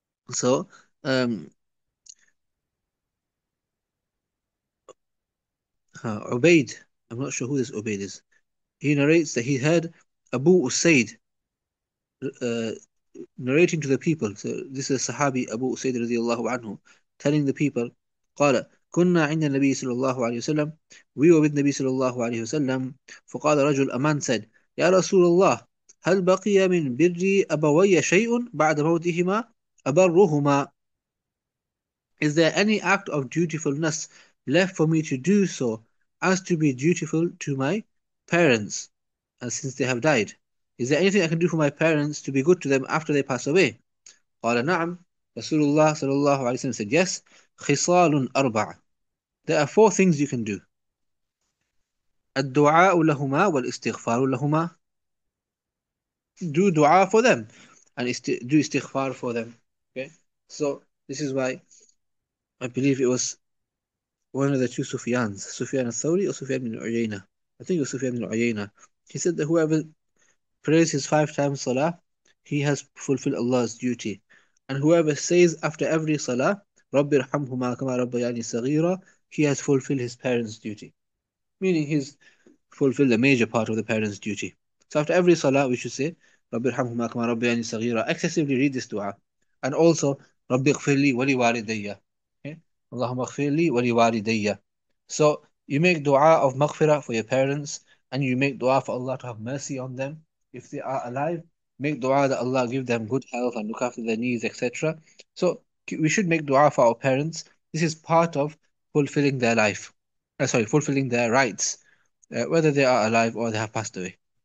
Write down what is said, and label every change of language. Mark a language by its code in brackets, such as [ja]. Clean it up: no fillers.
[en] So, Ubaid, I'm not sure who this Ubaid is. He narrates that he heard Abu Usaid narrating to the people. So this is a Sahabi, Abu Usaid radiallahu anhu, telling the people, Qala, كنا عند النبي صلى الله عليه وسلم. [ar] We were with النبي صلى الله عليه وسلم. فقال رجل, a man said, يا رسول الله, هل بقي من بر أبوي شيء بعد موتهما أبرهما? [en] Is there any act of dutifulness left for me to do so as to be dutiful to my parents, and since they have died? Is there anything I can do for my parents to be good to them after they pass away? [ar] قال نعم. رسول الله صلى الله عليه وسلم said, yes. خصال أربعة. [en] There are four things you can do. [ar] الدعاء لهما والاستغفار لهما. [en] Do dua for them and do istighfar for them. Okay. So this is why I believe it was one of the two Sufyans, Sufyan al-Thawri or Sufyan bin Uyayna. I think it was Sufyan bin Uyayna. He said that whoever prays his five times salah, he has fulfilled Allah's duty. And whoever says after every salah, رَبِّ ارْحَمْهُمَا كَمَا رَبَّيَانِي صَغِيرًا, he has fulfilled his parents' duty. Meaning he's fulfilled the major part of the parents' duty. So after every salah, we should say, رَبِّ ارْحَمْهُمَا كَمَا رَبَّيَانِي صَغِيرًا. Excessively read this dua. [ar] And also, رَبِّ اغْفِرْ لِي وَلِوَالِدَيَّ. اللَّهُمَّ اغْفِرْ لِي وَلِوَالِدَيَّ. [en] So you make dua of maghfirah for your parents, and you make dua for Allah to have mercy on them if they are alive. Make dua that Allah give them good health and look after their needs, etc. So we should make dua for our parents. This is part of fulfilling their life, sorry, fulfilling their rights, whether they are alive or they have passed away.